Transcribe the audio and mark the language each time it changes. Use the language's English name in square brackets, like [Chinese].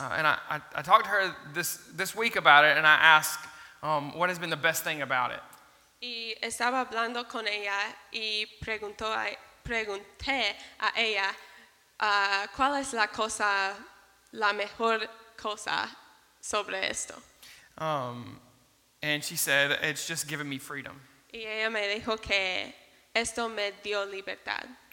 [English] And I talked to her this week about it, and I asked, what has been the best thing about it? [Spanish] Y estaba hablando con ella y pregunté a ella cuál es la mejor cosa sobre esto. [English] And she said, it's just given me freedom. [Spanish] Y ella me dijo que esto me dio libertad.